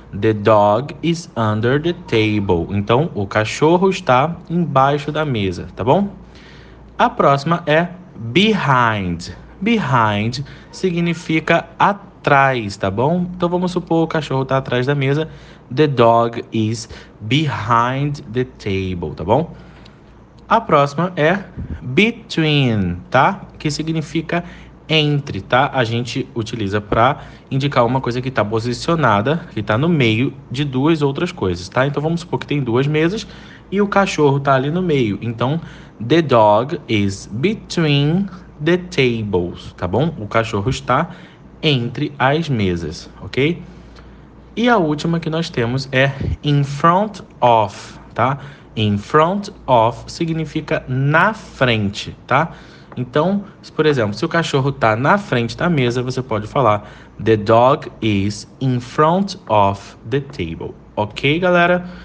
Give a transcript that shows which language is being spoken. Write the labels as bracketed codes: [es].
[en] The dog is under the table. [pt] Então, o cachorro está embaixo da mesa, tá bom? A próxima é behind. Behind significa atrás, tá bom? Então vamos supor que o cachorro está atrás da mesa. [en] The dog is behind the table, [pt] tá bom? A próxima é between, tá? Que significa entre, tá? A gente utiliza para indicar uma coisa que está posicionada, que está no meio de duas outras coisas, tá? Então vamos supor que tem duas mesas e o cachorro está ali no meio. Então, [en] the dog is between the tables, [pt] tá bom? O cachorro está entre as mesas, ok? E a última que nós temos é in front of, tá? In front of significa na frente, tá? Então, por exemplo, se o cachorro está na frente da mesa, você pode falar [en] the dog is in front of the table, [pt] ok, galera?